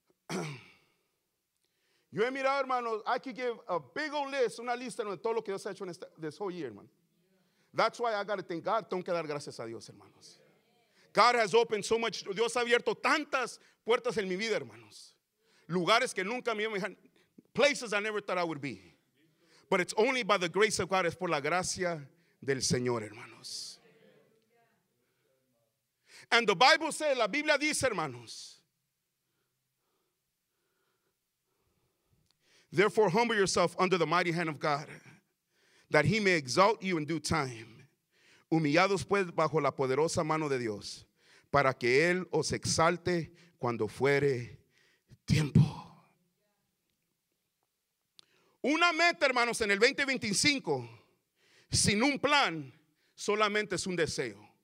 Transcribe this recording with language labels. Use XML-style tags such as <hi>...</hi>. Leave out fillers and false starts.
<es>Yo he mirado, hermanos.</es> <en>I could give a big old list,</en> <es>una lista de todo lo que Dios ha hecho en</es> <en>this whole year,</en> <es>hermano.</es> <en>That's why I got to thank God.</en> <es>Tengo que dar gracias a Dios, hermanos.</es> <en>God has opened so much.</en> <es>Dios ha abierto tantas puertas en mi vida, hermanos. Lugares que nunca me imaginé.</es> <en>Places I never thought I would be. But it's only by the grace of God.</en> <es>Es por la gracia del Señor, hermanos.</es> <en>And the Bible says,</en> <es>la Biblia dice, hermanos,</es> <en>therefore humble yourself under the mighty hand of God, that he may exalt you in due time.</en> <es>Humillados pues bajo la poderosa mano de Dios, para que él os exalte cuando fuere tiempo. Una meta, hermanos, en el 2025 sin un plan, solamente es un deseo.</es>